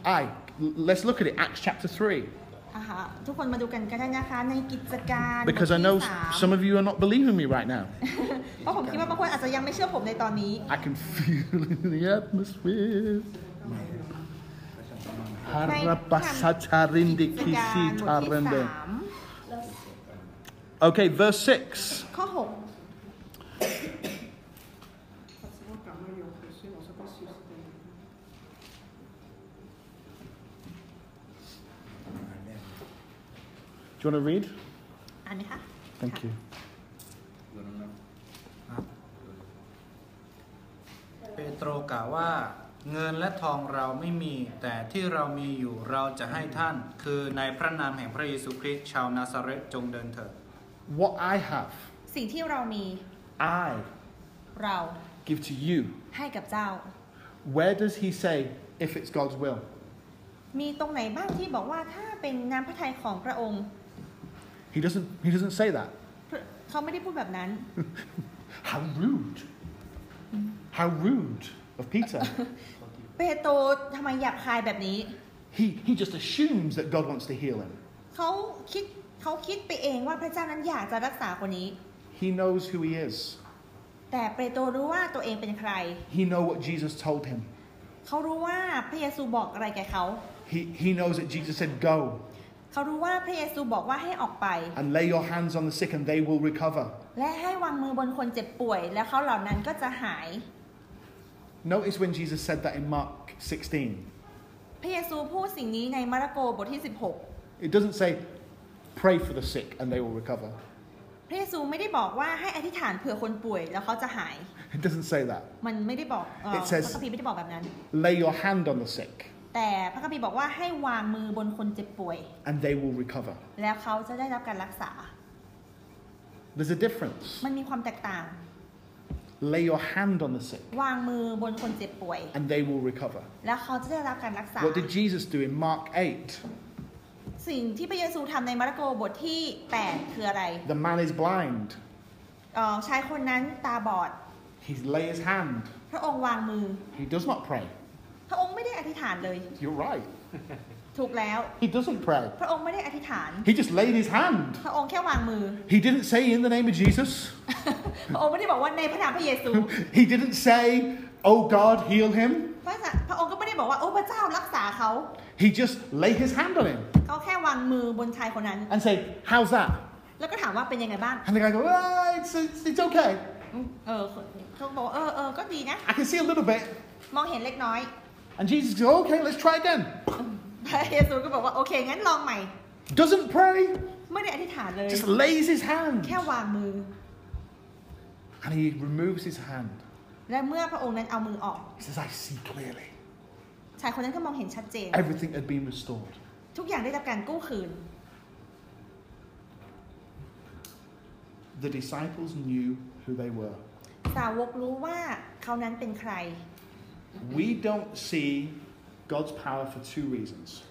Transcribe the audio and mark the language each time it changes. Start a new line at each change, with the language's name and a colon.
English: I let's look at it Acts chapter 3.
Thai: ทุกคนมาดูกันก็ได้นะคะในกิจการ
English: Because I know some of you are not believing me right now.
Thai: เพราะผมคิดว่าบางคนอาจจะยังไม่เชื่อผมในตอนนี้
English: I can feel in the atmosphere. ฮาราบัสชาริน ดิคิซิทาเรนเด Okay, verse 6.
Thai: ข้อ 6
English: Do you want to read? Anika. Thank you.
Thai: Petro กล่าวว่าเงินและทองเราไม่มีแต่ที่เรามีอยู่เราจะให้ท่านคือในพระนามแห่งพระเยซูคริสต์ชาวนาซาเรตจงเดินเถิด
English: What I have.
Thai: สิ่งที่เรามี
English: I.
Thai: เรา
English: Give to you.
Thai: ให้กับเจ้า
English: Where does he say if it's God's will?
Thai: มีตรงไหนบ้างที่บอกว่าถ้าเป็นน้ำพระทัยของพระองค์
English: He doesn't say that
Thai: เขาไม่ได้พูดแบบนั้น
English: How rude How rude of Peter
Thai: เปโตรทำไมหยาบคายแบบนี้
English: He just assumes that God wants to heal him
Thai: เขาคิดไปเองว่าพระเจ้านั้นอยากจะรักษาคนนี้
English: He knows who he is
Thai: แต่เปโตรรู้ว่าตัวเองเป็นใคร
English: He know what Jesus told him
Thai: เขารู้ว่าพระเยซูบอกอะไรแก่เขา
English: He knows that Jesus said go
Thai: เขารู้ว่าพระเยซูบอกว่าให้ออกไป
English: And lay your hands on the sick and they will recover
Thai: และให้วางมือบนคนเจ็บป่วยแล้วเขาเหล่านั้นก็จะหาย
English: Notice when Jesus said that in Mark 16
Thai: พระเยซูพูดสิ่งนี้ในมาระโกบทที่16
English: It doesn't say pray for the sick and they will recover
Thai: พระเยซูไม่ได้บอกว่าให้อธิษฐานเผื่อคนป่วยแล้วเขาจะหาย
English: It doesn't say that.
Thai: มันไม่ได้บอก
English: It says,
Thai: พระคัมภีร์ไม่ได้บอกแบบนั้น
English: Lay your hand on the sick.
Thai: แต่พระคัมภีร์บอกว่าให้วางมือบนคนเจ็บป่วย
English: And they will recover.
Thai: แล้วเขาจะได้รับการรักษา
English: There's a difference.
Thai: มันมีความแตกต่าง
English: Lay your hand on the sick.
Thai: วางมือบนคนเจ็บป่วย
English: And they will recover.
Thai: แล้วเขาจะได้รับการรักษา
English: What did Jesus do in Mark 8?
Thai: สิ่งที่พระเยซูทำในมาระโกบทที่8คืออะไร
English: The man is blind.
Thai: ชายคนนั้นตาบอด
English: He lays his hand.
Thai: พระองค์วางมือ
English: He does not pray.
Thai: พระองค์ไม่ได้อธิษฐานเลย
English: You're right.
Thai: ถูกแล้ว
English: He doesn't pray.
Thai: พระองค์ไม่ได้อธิษฐาน
English: He just laid his hand.
Thai: พระองค์แค่วางมือ
English: He didn't say in the name of Jesus.
Thai: พระองค์ไม่ได้บอกว่าในพระนามพระเยซู
English: He didn't say, "Oh God, heal him."
Thai: พระองค์ก็ไม่ได้บอกว่าโอ้พระเจ้ารักษาเขา
English: He just lay his hand on him.
Thai: เขาแค่วางมือบนชายคนนั้น
English: And say, "How's that?"
Thai: แล้วก็ถามว่าเป็นยังไงบ้าง
English: And the guy goes, "Oh, it's okay."
Thai: เขาบอกเออก็ดีนะ
English: I can see a little bit.
Thai: มองเห็นเล็กน้อย
English: And Jesus goes, "Okay, let's try again."
Thai: พระเยซูก็บอกว่าโอเคงั้นลองใหม่
English: Doesn't pray.
Thai: ไม่ได้อธิษฐานเลย
English: Just lays his hand.
Thai: แค่วางมือ
English: And he removes his hand.
Thai: และเมื่อพระองค์นั้นเอามือออก
English: He says, "I see clearly."
Thai: ชายคนนั้นก็มองเห็นชัดเจน
English: Everything had been restored.
Thai: ทุกอย่างได้รับการกู้คืน
English: The disciples knew who they were.
Thai: สาวกรู้ว่าเขานั้นเป็นใคร
English: We don't see God's power for two reasons.